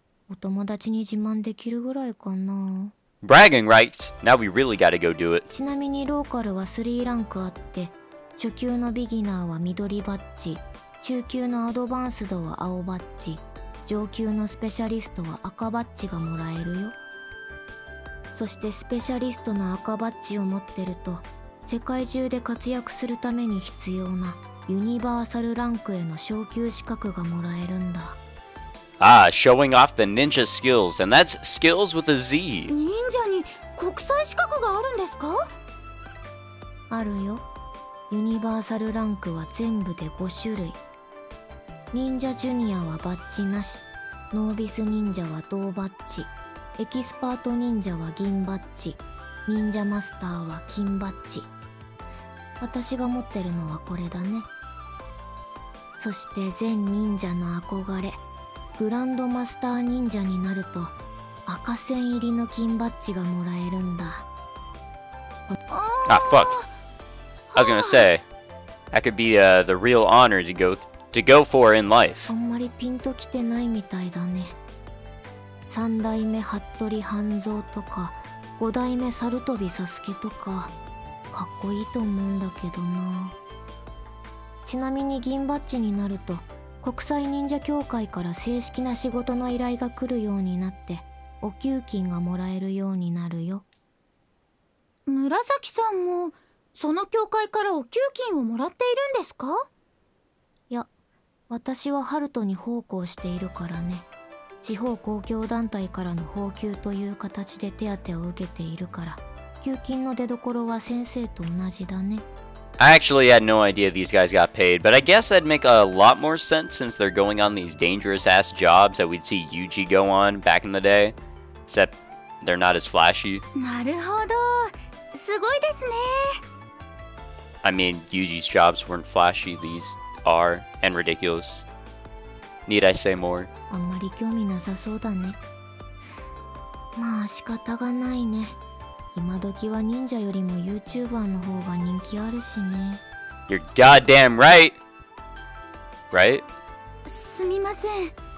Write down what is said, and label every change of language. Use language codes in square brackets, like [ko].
[ja] 先生もチャレンジしてみるかい？私がですか？初日に手裏剣の授業に参加すれば無条件でシャープシューター技能の取得ができるし、忍者キッズの証である緑色のビギナーバッジがもらえるよ。そのバッジがもらえると何かいいことがあるんですか？ローカルのグリーンバッジじゃお友達に自慢できるぐらいかな。 [en] Bragging rights. Now we really gotta go do it. [ja] ちなみにローカルは 3 ランクあって初級のビギナーは緑バッジ、中級のアドバンスドは青バッジ、上級のスペシャリストは赤バッジがもらえるよ。そしてスペシャリストの赤バッジを持ってると、世界中で活躍するために必要なユニバーサルランクへの昇級資格がもらえるんだ。 [en] Ah, showing off the ninja skills, and that's skills with a Z. [ja] 忍者に国際資格があるんですか？あるよ。ユニバーサルランクは全部で5種類。忍者ジュニアはバッジなし。ノービス忍者は銅バッジ。エキスパート忍者は銀バッジ。忍者マスターは金バッジ。私が持ってるのはこれだね。そして全忍者の憧れ。グランドマスター忍者になると赤線入りの金バッジがもらえるんだ。 [en] あ、fuck. I was gonna say, that could be、the real honor to go for in life. [ja] あんまりピンときてないみたいだね。三代目服部半蔵とか、五代目猿飛サスケとか、かっこいいと思うんだけどな。ちなみに銀バッジになると、国際忍者協会から正式な仕事の依頼が来るようになって、お給金がもらえるようになるよ。紫さんも、その協会からお給金をもらっているんですか？いや、私はハルトに奉公しているからね。地方公共団体からの俸給という形で手当を受けているから、給金の出所は先生と同じだね。 [en] I actually had no idea these guys got paid, but I guess that'd make a lot more sense since they're going on these dangerous ass jobs that we'd see Yuji go on back in the day. Except they're not as flashy. [ja] なるほど。すごいですね。 [en] I mean, Yuji's jobs weren't flashy, these are, and ridiculous. Need I say more? [ja] あんまり興味なさそうだね。まあ仕方がないね。今時は忍者よりもユーチューバーの方が人気あるしね。 [en] You're goddamn right! Right? [ja] すみません。